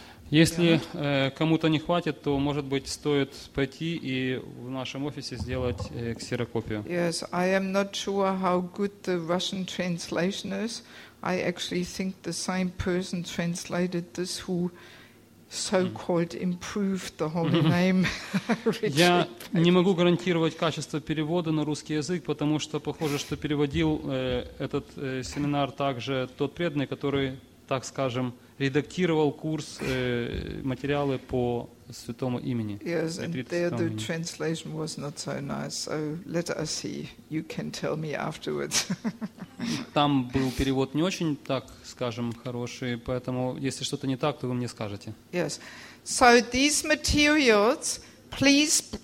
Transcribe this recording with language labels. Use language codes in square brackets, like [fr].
[ru] Если кому-то не хватит, то, может быть, стоит пойти и в нашем офисе сделать ксерокопию. [en] Yes, I am not sure how good the Russian translation is. I actually think the same person translated this who so-called improved the holy name. [ru] Я не могу гарантировать качество перевода на русский язык, потому что похоже, что переводил этот семинар также тот преданный, который, так скажем, редактировал курс материалы по святому имени. [en] Yes, and there the translation was not so nice. So let us see. You can tell me afterwards. [ru] Там был перевод не очень, так скажем, хороший, поэтому если что-то не так, то вы мне скажете. [en] Yes. So these materials, please.